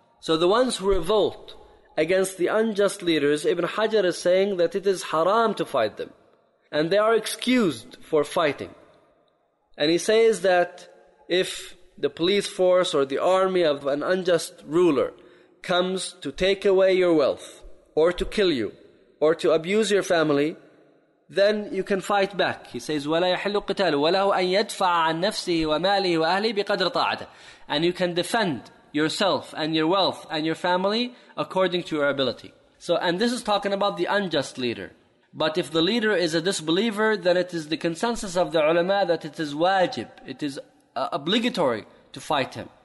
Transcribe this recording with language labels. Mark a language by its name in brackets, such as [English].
[English] So the ones who revolt against the unjust leaders, Ibn Hajar is saying that it is haram to fight them, and they are excused for fighting. And he says that if the police force or the army of an unjust ruler comes to take away your wealth, or to kill you, or to abuse your family, then you can fight back. He says, [Arabic] وَلَا يَحِلُّ قِتَالُ وَلَهُ أَنْ يَدْفَعَ عَنْ نَفْسِهِ وَمَالِهِ وَأَهْلِهِ بِقَدْرَ طَاعَتَهِ. [English] And you can defend yourself and your wealth and your family according to your ability. So, and this is talking about the unjust leader. But if the leader is a disbeliever, then it is the consensus of the ulama that it is wajib, it is obligatory to fight him.